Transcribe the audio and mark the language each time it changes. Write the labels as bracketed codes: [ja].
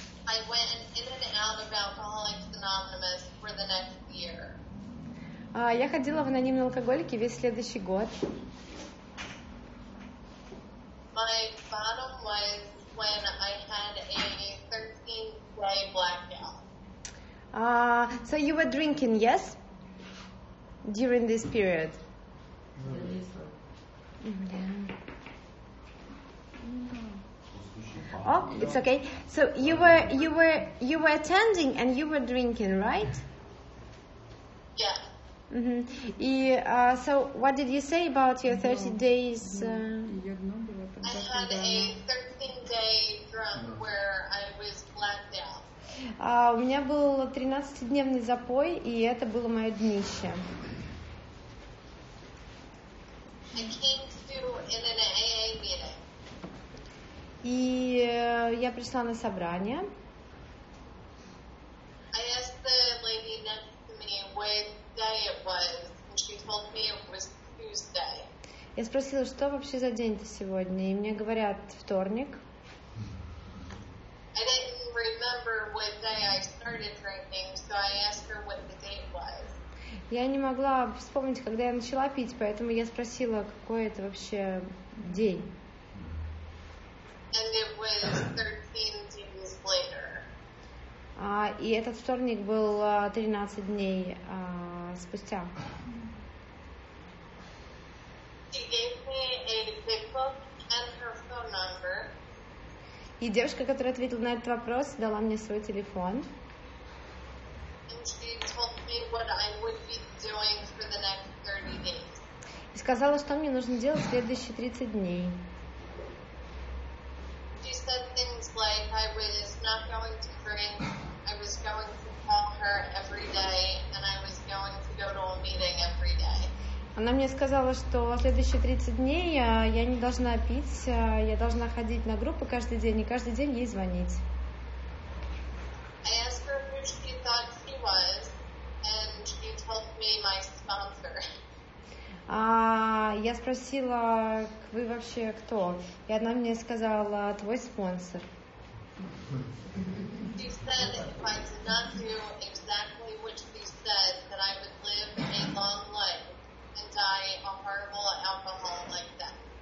[en] I went in and out of Alcoholics Anonymous for the next year. [ru] Я ходила в анонимные алкоголики весь следующий год. [en] My bottom was when I had a 13-day blackout. So you were drinking, yes? During this period? Oh, it's okay. So you were attending and you were drinking, right? Yeah. Mhm. И so what did you say about your 30 days? I had a 13-day drunk where I was blacked out. [ru] У меня был 13-дневный запой, и это было моё днище. [en] I came to in an AA meeting. [ru] И я пришла на собрание. [en] I asked the lady next to me what day it was, and she told me it was Tuesday. [ru] Я спросила, что вообще за день-то сегодня, и мне говорят вторник. [en] I didn't remember what day I started drinking, so I asked her what the date was. [ru] Я не могла вспомнить, когда я начала пить, поэтому я спросила, какой это вообще день. [en] And it was 13 days later. [ru] И этот вторник был 13 дней спустя. [en] She gave me a pick up and her phone number. [ru] И девушка, которая ответила на этот вопрос, дала мне свой телефон. [en] And she told me what I would be doing for the next 30 days. [ru] И сказала, что мне нужно делать следующие 30 дней. [en] She said things like, I was not going to drink, I was going to call her every day, and I was going to go to a meeting every day. [ru] Она мне сказала, что следующие 30 дней я не должна пить, я должна ходить на группы каждый день и каждый день ей звонить. [en] I asked her who she thought she was, and she told me my sponsor. [ru] Я спросила, вы вообще кто? И она мне сказала, твой спонсор. [en] She said if I did not do exactly what she said, that I would live a long life and die a horrible alcoholic like that.